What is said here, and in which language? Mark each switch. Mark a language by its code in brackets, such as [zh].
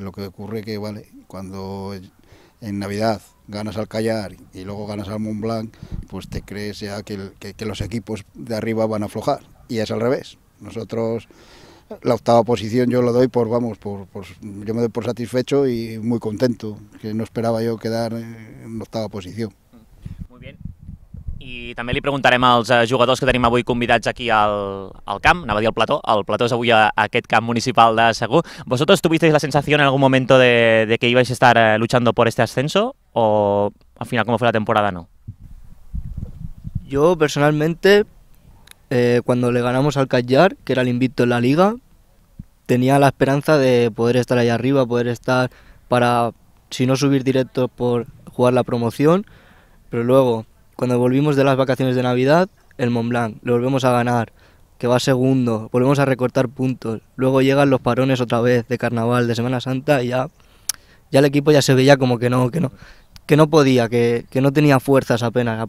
[es] Lo que ocurre que, vale, cuando en Navidad ganas al Callar y luego ganas al Mont Blanc, pues te crees ya que los equipos de arriba van a aflojar, y es al revés. Nosotros la octava posición yo lo doy por, vamos, por yo me doy por satisfecho y muy contento, que no esperaba yo quedar en octava posición. Muy bien. [ca] I també li preguntarem als jugadors que tenim avui convidats aquí al camp, anava a dir al plató, el plató és avui a aquest camp municipal de Segur. [es] ¿Vosotros tuvisteis la sensación en algún momento de que ibais a estar luchando por este ascenso? ¿O al final cómo fue la temporada, no? Yo personalmente, cuando le ganamos al Callar, que era el invicto en la liga, tenía la esperanza de poder estar ahí arriba, poder estar para, si no subir directo, por jugar la promoción, pero luego, cuando volvimos de las vacaciones de Navidad, el Mont Blanc, lo volvemos a ganar, que va segundo, volvemos a recortar puntos, luego llegan los parones otra vez de Carnaval, de Semana Santa, y ya el equipo ya se veía como que no podía, que no tenía fuerzas apenas.